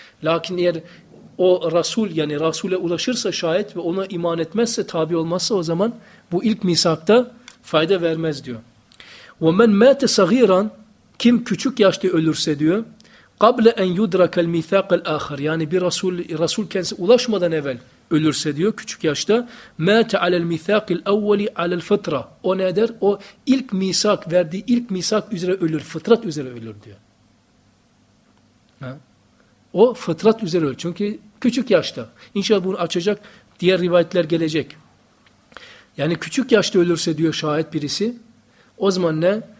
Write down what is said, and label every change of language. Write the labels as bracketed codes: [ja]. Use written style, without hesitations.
[tr] Lakin eğer o Resul, yani Resul'e ulaşırsa şayet ve ona iman etmezse, tabi olmazsa o zaman bu ilk misakta fayda vermez diyor. [ar] وَمَنْ مَاتَ صَغِيرًا [tr] kim küçük yaşta ölürse diyor, [ar] قَبْلَ اَنْ يُدْرَكَ الْمِيثَاقَ الْآخَرِ [tr] yani bir Resul kendisi ulaşmadan evvel ölürse diyor küçük yaşta. [ar] مَاتَ عَلَى الْمِثَاقِ الْاَوَّلِ عَلَى الْفَطْرَةِ [tr] O ne der? O ilk misak verdiği ilk misak üzere ölür. Fıtrat üzere ölür diyor. Ha? O fıtrat üzere ölür. Çünkü küçük yaşta. İnşallah bunu açacak. Diğer rivayetler gelecek. Yani küçük yaşta ölürse diyor şahit birisi. O zaman ne?